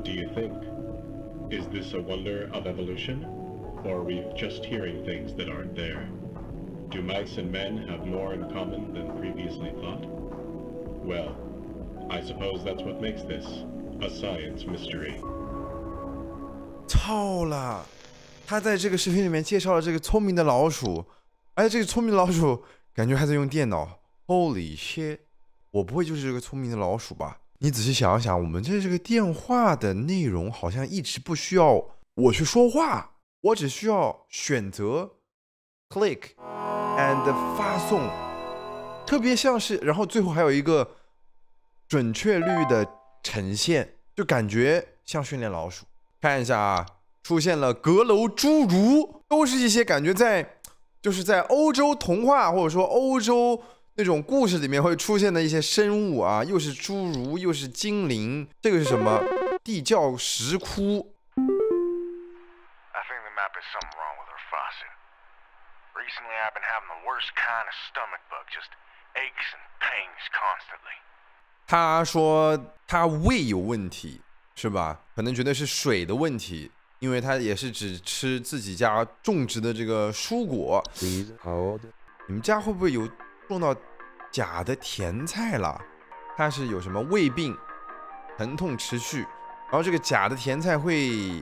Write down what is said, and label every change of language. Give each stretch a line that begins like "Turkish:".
English: Evolution, or are we just hearing things that aren't there? Do mice and men have more in common than previously thought? Well, I suppose that's what makes this a science mystery.
Chinese: 操了，他在这个视频里面介绍了这个聪明的老鼠，哎，这个聪明的老鼠感觉还在用电脑。
English: Holy shit，
Chinese: 我不会就是这个聪明的老鼠吧？你仔细想想，我们这个电话的内容好像一直不需要。我去说话，我只需要选择
English: click and
Chinese: 发送，特别像是，然后最后还有一个准确率的呈现，就感觉像训练老鼠。看一下啊，出现了阁楼侏儒，都是一些感觉在，就是在欧洲童话或者说欧洲那种故事里面会出现的一些生物啊，又是侏儒，又是精灵，这个是什么？地窖石窟。
English: Something wrong with her faucet. Recently, I've been having the worst kind of stomach bug, just aches and pains constantly.
Chinese: 他说他胃有问题，是吧？可能觉得是水的问题，因为他也是只吃自己家种植的这个蔬果。
English: Please hold.
Chinese: 你们家会不会有种到假的甜菜了？他是有什么胃病，疼痛持续，然后这个假的甜菜会